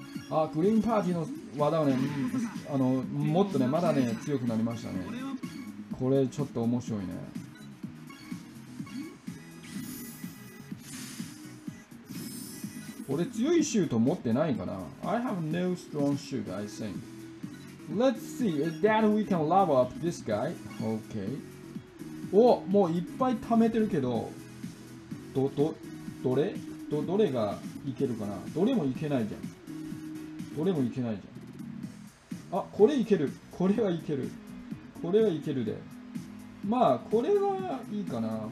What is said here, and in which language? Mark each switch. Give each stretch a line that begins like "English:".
Japanese: あ、グリーンパーティーの技はね、あの、もっとね、まだね、強くなりましたね。これちょっと面白いね。俺強いシュート持ってないかな。
English: I have no strong shoot, I think. Let's see if that we can level up this guy. OK.
Japanese: お、もういっぱい貯めてるけど、どれがいけるかな。どれもいけないじゃん。どれもいけないじゃん。あ、これいける、これはいける、これはいけるで、まあこれはいいかな。